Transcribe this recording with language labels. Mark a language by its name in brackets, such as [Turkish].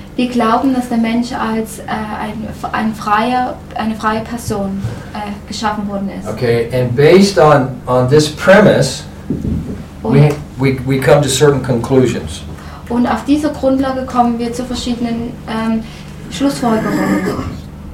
[German] Wir glauben, dass der Mensch als eine freie Person geschaffen worden ist. [English] Okay, and based on this premise, we come to certain conclusions. [German] Und auf dieser Grundlage kommen wir zu verschiedenen Schlussfolgerungen.